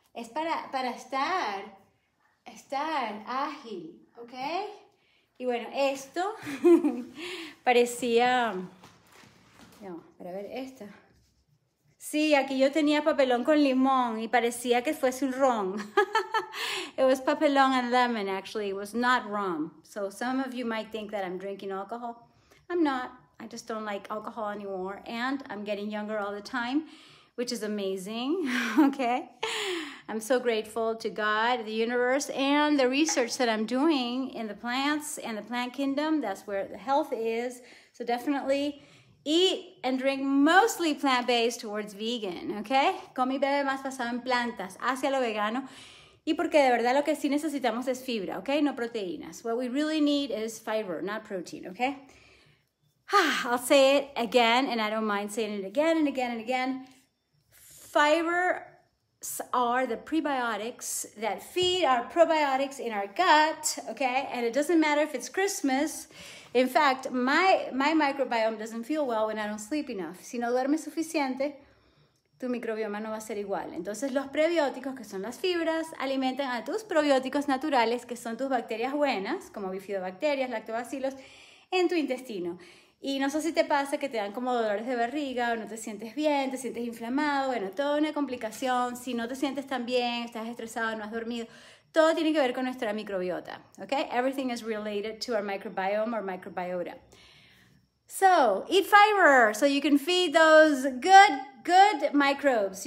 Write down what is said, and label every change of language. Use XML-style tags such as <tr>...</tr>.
<es>Es para estar ágil, ¿ok? Y bueno, esto parecía... No, para ver esta. Sí, aquí yo tenía papelón con limón y parecía que fuese un ron.</es> <en>It was papelón and lemon, actually. It was not rum. So some of you might think that I'm drinking alcohol. I'm not. I just don't like alcohol anymore. And I'm getting younger all the time, which is amazing. Okay. I'm so grateful to God, the universe, and the research that I'm doing in the plants and the plant kingdom. That's where the health is. So definitely... Eat and drink mostly plant-based towards vegan, okay?</en> <es>Come y bebe más basado en plantas, hacia lo vegano. Y porque de verdad lo que sí necesitamos es fibra, okay? No proteínas.</es> <en>What we really need is fiber, not protein, okay? I'll say it again, and I don't mind saying it again and again and again. Fibers are the prebiotics that feed our probiotics in our gut, okay? And it doesn't matter if it's Christmas. In fact, my microbiome doesn't feel well when I don't sleep enough.</en> <es>Si no duermes suficiente, tu microbioma no va a ser igual. Entonces, los prebióticos, que son las fibras, alimentan a tus probióticos naturales, que son tus bacterias buenas, como bifidobacterias, lactobacilos, en tu intestino. Y no sé si te pasa que te dan como dolores de barriga, o no te sientes bien, te sientes inflamado, bueno, toda una complicación. Si no te sientes tan bien, estás estresado, no has dormido... Todo tiene que ver con nuestra microbiota, okay?</es> <en>Everything is related to our microbiome or microbiota. So, eat fiber so you can feed those good microbes.</en>